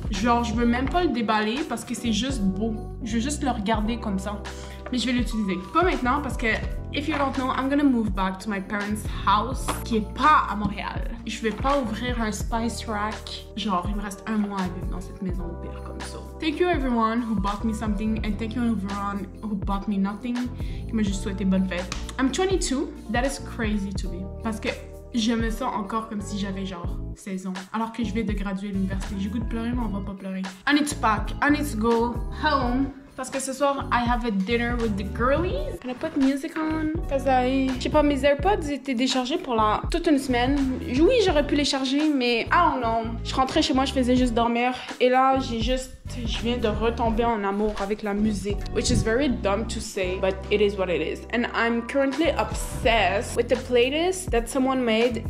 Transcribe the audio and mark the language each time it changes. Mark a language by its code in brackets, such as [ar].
[fr] Genre, je veux même pas le déballer parce que c'est juste beau. Je veux juste le regarder comme ça. Mais je vais l'utiliser. Pas maintenant parce que, [en] if you don't know, I'm gonna move back to my parents' house [fr] qui est pas à Montréal. Je vais pas ouvrir un spice rack. Genre, il me reste un mois à vivre dans cette maison au pire comme ça. [en] Thank you everyone who bought me something and thank you everyone who bought me nothing. [fr] Qui m'a juste souhaité bonne fête. [en] I'm 22. That is crazy to me. [fr] Parce que je me sens encore comme si j'avais genre 16 ans. Alors que je vais de graduer à l'université. J'ai goût de pleurer, mais on va pas pleurer. [en] I need to pack. I need to go home. [fr] Parce que ce soir, [en] I have a dinner with the girlies. Can I put music on? Cause I... [fr] Je sais pas, mes AirPods étaient déchargés pour la... toute une semaine. Oui, j'aurais pu les charger, mais... [en] I don't know. [fr] Je rentrais chez moi, je faisais juste dormir. Et là, j'ai juste... Je viens de retomber en amour avec la musique. [en] Which is very dumb to say, but it is what it is. And I'm currently obsessed with the playlist that someone made.